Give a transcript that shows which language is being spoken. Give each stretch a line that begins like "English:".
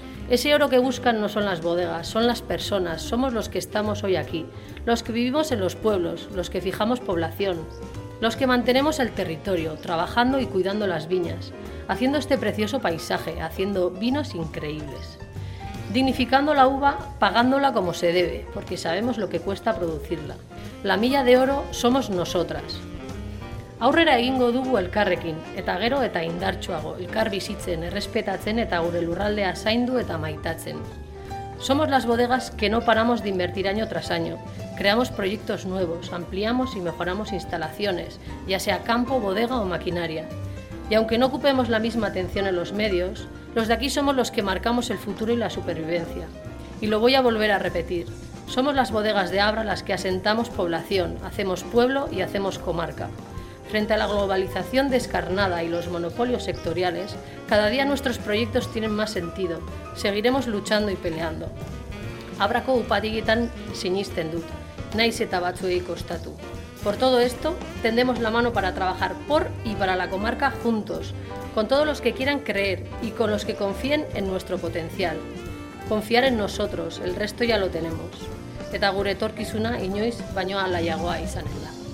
Spanish: Ese oro que buscan no son las bodegas, son las personas, somos los que estamos hoy aquí, los que vivimos en los pueblos, los que fijamos población, los que mantenemos el territorio, trabajando y cuidando las viñas, haciendo este precioso paisaje, haciendo vinos increíbles, dignificando la uva, pagándola como se debe, porque sabemos lo que cuesta producirla. La milla de oro somos nosotras.
Basque: Aurrera egingo dugu elkarrekin, eta gero eta indartsuago, elkar bizitzen, errespetatzen eta gure lurraldea zaindu eta maitatzen.
Spanish: Somos las bodegas que no paramos de invertir año tras año. Creamos proyectos nuevos, ampliamos y mejoramos instalaciones, ya sea campo, bodega o maquinaria. Y aunque no ocupemos la misma atención en los medios, los de aquí somos los que marcamos el futuro y la supervivencia. Y lo voy a volver a repetir. Somos las bodegas de ABRA las que asentamos población, hacemos pueblo y hacemos comarca. Frente a la globalización descarnada y los monopolios sectoriales, cada día nuestros proyectos tienen más sentido. Seguiremos luchando y peleando.
Basque: Abrako upadigitan sinisten dut, naiz eta batzuei kostatu.
Spanish: Por todo esto, tendemos la mano para trabajar por y para la comarca juntos, con todos los que quieran creer y con los que confíen en nuestro potencial. Confiar en nosotros, el resto ya lo tenemos.
Basque: Eta gure etorkizuna inoiz baino alaiagoa izanen da.